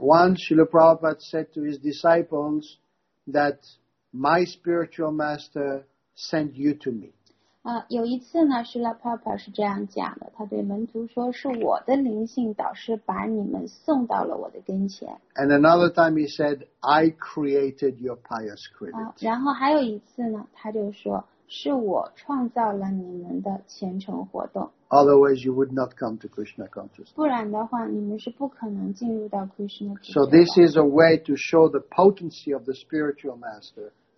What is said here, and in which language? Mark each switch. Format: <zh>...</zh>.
<en>One Srila Prabhupada said to his disciples that my spiritual master sent you to me</en> <zh>有一次呢 Srila Prabhupada 是这样讲的 他对门徒说 是我的灵性导师把你们送到了我的跟前</zh> <en>And another time he said I created your pious critic</en> <zh>然后还有一次呢 他就说 是我创造了你们的虔诚活动</zh> <en>Otherwise, you would not come to Krishna consciousness.</en> <zh>不然的话，你们是不可能进入到Krishna。</zh> <en>So this is a way to show the potency of the spiritual master.</en>